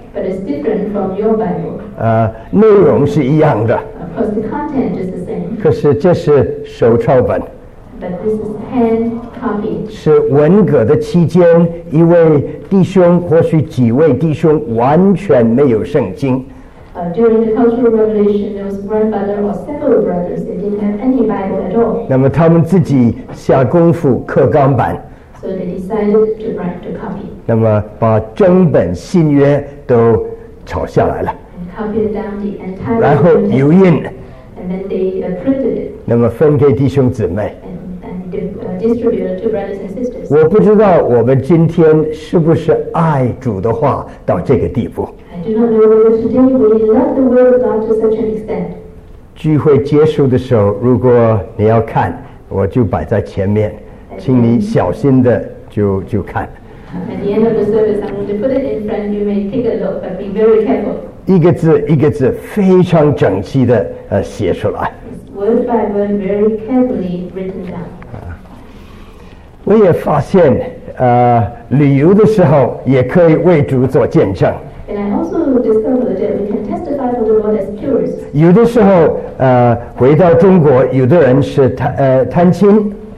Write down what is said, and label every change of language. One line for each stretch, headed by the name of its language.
English: but it's different from your Bible
Chinese: 内容是一样的
English: of course the content is the same
Chinese: 可是这是手抄本
English: But this is hand copy.
Chinese: 是文革的期间，一位弟兄或许几位弟兄完全没有圣经。
English: During the Cultural Revolution, there was one brother or several brothers that didn't have any Bible at all.
Chinese: 那么他们自己下功夫刻钢板。
English: So they decided to write the copy.
Chinese: 那么把整本新约都抄下来了。
English: And copied down the entire.
Chinese: 然后油印。
English: And then they printed it.
Chinese: 那么分给弟兄姊妹。
English: Distributed to brothers and sisters.
Chinese: 我不知道我们今天是不是爱主的话到这个地步。
English: I do not know whether today we love the word of God to such an extent.
Chinese: 聚会结束的时候，如果你要看，我就摆在前面，请你小心的就看。
English: At the end of the service, I'm going to put it in front. You may take a look, but be very careful.
Chinese: 一个字一个字非常整齐的写出来。
English: Word by word, very carefully written down.
Chinese: 我也发现旅游的时候也可以为主做见证。
English: And I also discovered that we can testify for the Lord as tourists.
Chinese: 有的时候回到中国有的人是探亲。